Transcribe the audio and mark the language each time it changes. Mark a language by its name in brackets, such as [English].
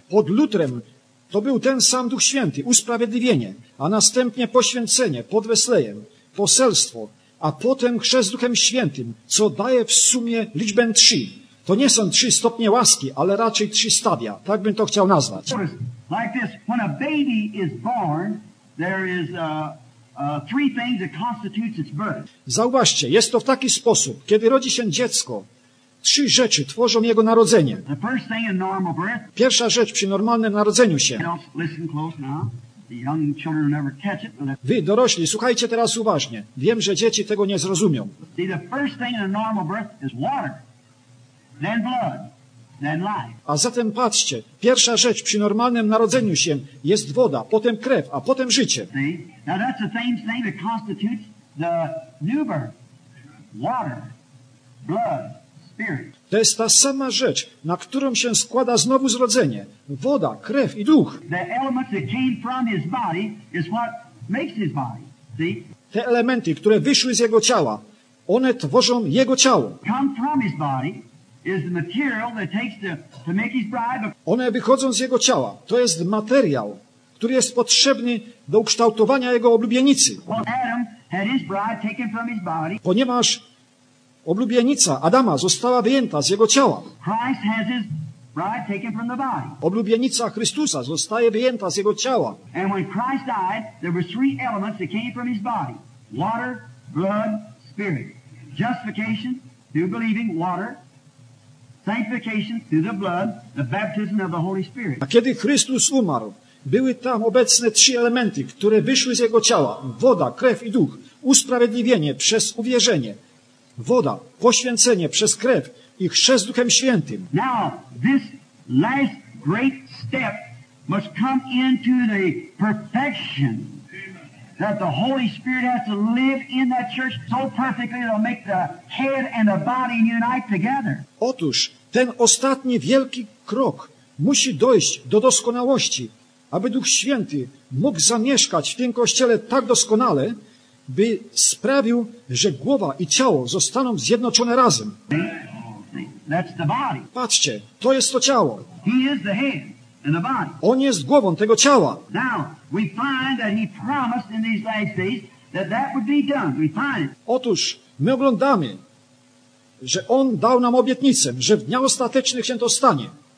[Polish] Pod Lutrem to był ten sam Duch Święty, usprawiedliwienie, a następnie poświęcenie, pod Wesleyem, poselstwo, a potem chrzest Duchem Świętym, co daje w sumie liczbę trzy. To nie są trzy stopnie łaski, ale raczej trzy stadia. Tak bym to chciał nazwać. [English] Like this, when a baby is born, there is a... three things that constitutes its birth. [Polish] Zauważcie, jest to w taki sposób, kiedy rodzi się dziecko, trzy rzeczy tworzą jego narodzenie. [English] The first thing in normal birth. [Polish] Pierwsza rzecz przy normalnym narodzeniu się. [English] Listen close now. The young children will never catch it. [Polish] Wy, dorośli, słuchajcie teraz uważnie. Wiem, że dzieci tego nie zrozumią. [English] See, the first thing in a normal birth is water, then blood, then life. [Polish] A zatem patrzcie, pierwsza rzecz przy normalnym narodzeniu się jest woda, potem krew, a potem życie. [English] Now that's the same thing that constitutes the new birth. Water, blood, spirit. [Polish] To jest ta sama rzecz, na którą się składa znowu zrodzenie. Woda, krew i duch. [English] The element that came from his body is what makes his body. See? [Polish] Te elementy, które wyszły z jego ciała, one tworzą jego ciało. [English] Come from his body. Is the material that takes to make his bride. [Polish] One wychodzą z jego ciała. To jest materiał, który jest potrzebny do ukształtowania jego oblubienicy. [English] Well, Adam had his bride taken from his body. [Polish] Ponieważ oblubienica Adama została wyjęta z jego ciała. [English] Christ has his bride taken from the body. [Polish] Oblubienica Chrystusa zostaje wyjęta z jego ciała. [English] And when Christ died, there were three elements that came from his body. Water, blood, spirit. Justification, new believing, water. Sanctification through the blood, the baptism of the Holy Spirit. [Polish] A kiedy Chrystus umarł, były tam obecne trzy elementy, które wyszły z jego ciała. Woda, krew i duch. Usprawiedliwienie przez uwierzenie. Woda, poświęcenie przez krew i chrzest Duchem Świętym. [English] Now, this last great step must come into the perfection that the Holy Spirit has to live in that church so perfectly that it'll make the head and the body unite together. [Polish] Otóż, ten ostatni wielki krok musi dojść do doskonałości, aby Duch Święty mógł zamieszkać w tym kościele tak doskonale, by sprawił, że głowa i ciało zostaną zjednoczone razem. [English] That's the body. [Polish] Patrzcie, to jest to ciało. [English] He is the head and the body. [Polish] On jest głową tego ciała. [English] Now, we find that he promised in these last days that would be done. We find it. [Polish] Otóż my oglądamy, że On dał nam obietnicę, że w dniach ostatecznych się to stanie.